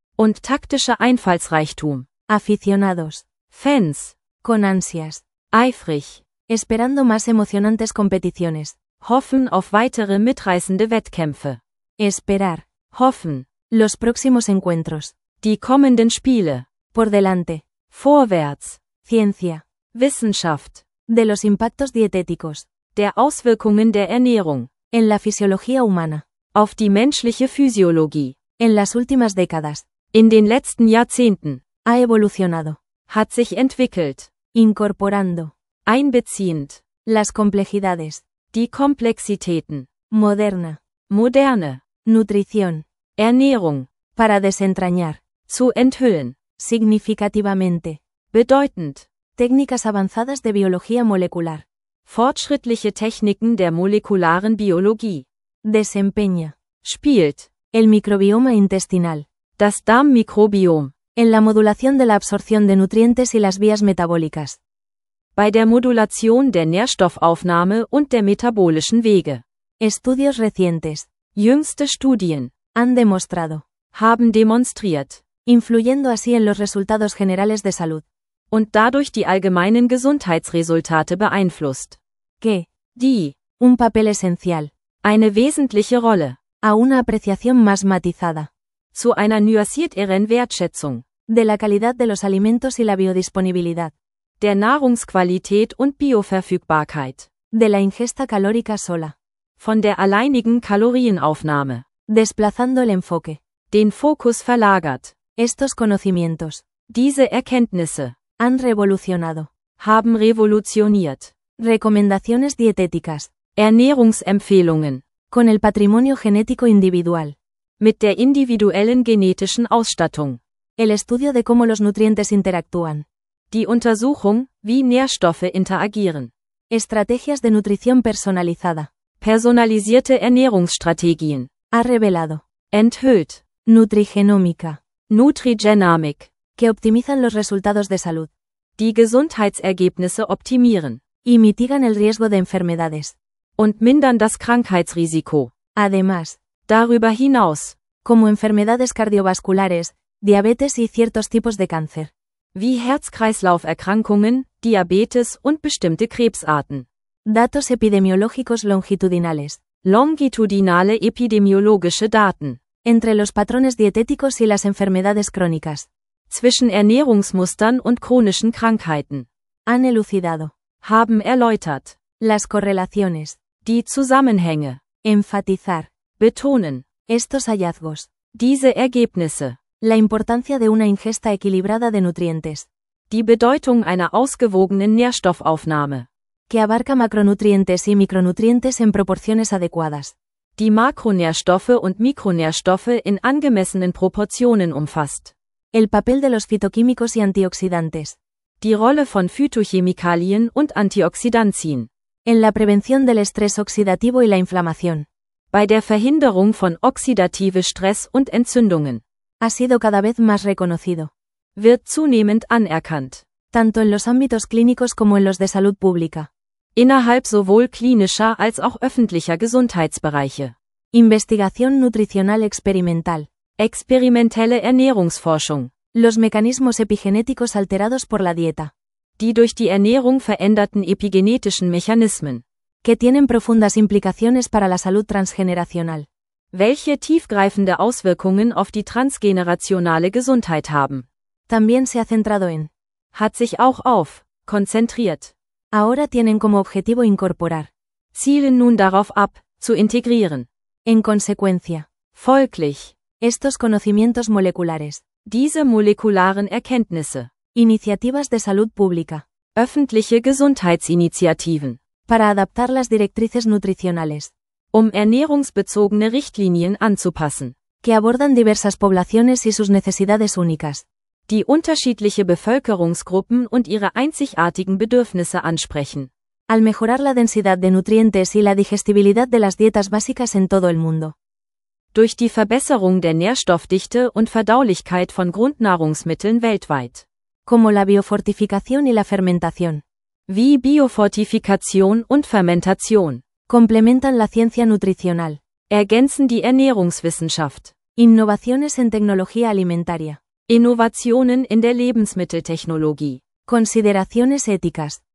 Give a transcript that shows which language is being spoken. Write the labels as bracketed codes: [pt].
[de] Und taktischer Einfallsreichtum. [es] Aficionados. [de] Fans. [es] Con ansias. [de] Eifrig. [es] Esperando más emocionantes competiciones. [de] Hoffen auf weitere mitreißende Wettkämpfe. [es] Esperar. [de] Hoffen. [es] Los próximos encuentros. [de] Die kommenden Spiele. [es] Por delante. [de] Vorwärts. [es] Ciencia. [de] Wissenschaft. [es] De los impactos dietéticos. [de] Der Auswirkungen der Ernährung. [es] En la fisiología humana. [de] Auf die menschliche Physiologie. [es] En las últimas décadas. [de] In den letzten Jahrzehnten. [es] Ha evolucionado. [de] Hat sich entwickelt. [es] Incorporando. [de] Einbeziehend. [es] Las complejidades. [de] Die Komplexitäten. [es] Moderna. [de] Moderne. [es] Nutrición. [de] Ernährung. [es] Para desentrañar. [de] Zu enthüllen. [es] Significativamente. [de] Bedeutend. [es] Técnicas avanzadas de biología molecular. [de] Fortschrittliche Techniken der molekularen Biologie. [es] Desempeña. [de] Spielt. [es] El microbioma intestinal. [de] Das Darmmikrobiom. [es] En la modulación de la absorción de nutrientes y las vías metabólicas. [de] Bei der Modulation der Nährstoffaufnahme und der metabolischen Wege. [es] Estudios recientes. [de] Jüngste Studien. [es] Han demostrado. [de] Haben demonstriert. [es] Influyendo así en los resultados generales de salud. [de] Und dadurch die allgemeinen Gesundheitsresultate beeinflusst. [es] Que. [de] Die. [es] Un papel esencial. [de] Eine wesentliche Rolle. [es] A una apreciación más matizada. [de] Zu einer nuancierteren Wertschätzung. [es] De la calidad de los alimentos y la biodisponibilidad. [de] Der Nahrungsqualität und Bioverfügbarkeit. [es] De la ingesta calórica sola. [de] Von der alleinigen Kalorienaufnahme. [es] Desplazando el enfoque. [de] Den Fokus verlagert. [es] Estos conocimientos. [de] Diese Erkenntnisse. [es] Han revolucionado. [de] Haben revolutioniert. [es] Recomendaciones dietéticas. [de] Ernährungsempfehlungen. [es] Con el patrimonio genético individual. [de] Mit der individuellen genetischen Ausstattung. [es] El estudio de cómo los nutrientes interactúan. [de] Die Untersuchung, wie Nährstoffe interagieren. [es] Estrategias de nutrición personalizada. [de] Personalisierte Ernährungsstrategien. [es] Ha revelado. [de] Enthüllt. [es] Nutrigenómica. [de] Nutrigenomic. [es] Que optimizan los resultados de salud. [de] Die Gesundheitsergebnisse optimieren. [es] Y mitigan el riesgo de enfermedades. [de] Und mindern das Krankheitsrisiko. [es] Además. [de] Darüber hinaus. [es] Como enfermedades cardiovasculares, diabetes y ciertos tipos de cáncer. [de] Wie Herz-Kreislauf-Erkrankungen, Diabetes und bestimmte Krebsarten. [es] Datos epidemiológicos longitudinales. [de] Longitudinale epidemiologische Daten. [es] Entre los patrones dietéticos y las enfermedades crónicas. [de] Zwischen Ernährungsmustern und chronischen Krankheiten. [es] Han elucidado. [de] Haben erläutert. [es] Las correlaciones. [de] Die Zusammenhänge. [es] Enfatizar. [de] Betonen. [es] Estos hallazgos. [de] Diese Ergebnisse. [es] La importancia de una ingesta equilibrada de nutrientes. [de] Die Bedeutung einer ausgewogenen Nährstoffaufnahme. [es] Que abarca macronutrientes y micronutrientes en proporciones adecuadas. [de] Die Makronährstoffe und Mikronährstoffe in angemessenen Proportionen umfasst. [es] El papel de los fitoquímicos y antioxidantes. [de] Die Rolle von Phytochemikalien und Antioxidantien. [es] En la prevención del estrés oxidativo y la inflamación. [de] Bei der Verhinderung von oxidativem Stress und Entzündungen. [es] Ha sido cada vez más reconocido. [de] Wird zunehmend anerkannt. [es] Tanto en los ámbitos clínicos como en los de salud pública. [de] Innerhalb sowohl klinischer als auch öffentlicher Gesundheitsbereiche. [es] Investigación nutricional experimental. [de] Experimentelle Ernährungsforschung. [es] Los mecanismos epigenéticos alterados por la dieta. [de] Die durch die Ernährung veränderten epigenetischen Mechanismen. [es] Que tienen profundas implicaciones para la salud transgeneracional. [de] Welche tiefgreifende Auswirkungen auf die transgenerationale Gesundheit haben. [es] También se ha centrado en. [de] Hat sich auch auf. Konzentriert. [es] Ahora tienen como objetivo incorporar. [de] Zielen nun darauf ab, zu integrieren. [es] En consecuencia. [de] Folglich. [es] Estos conocimientos moleculares. [de] Diese molekularen Erkenntnisse. [es] Iniciativas de salud pública. [de] Öffentliche Gesundheitsinitiativen. [es] Para adaptar las directrices nutricionales. [de] Um ernährungsbezogene Richtlinien anzupassen. [es] Que abordan diversas poblaciones y sus necesidades únicas. [de] Die unterschiedliche Bevölkerungsgruppen und ihre einzigartigen Bedürfnisse ansprechen. [es] Al mejorar la densidad de nutrientes y la digestibilidad de las dietas básicas en todo el mundo. [de] Durch die Verbesserung der Nährstoffdichte und Verdaulichkeit von Grundnahrungsmitteln weltweit. [es] Como la biofortificación y la fermentación. [de] Wie Biofortifikation und Fermentation. [es] Complementan la ciencia nutricional. [de] Ergänzen die Ernährungswissenschaft. [es] Innovaciones en tecnología alimentaria. [de] Innovationen in der Lebensmitteltechnologie. [es] Consideraciones éticas.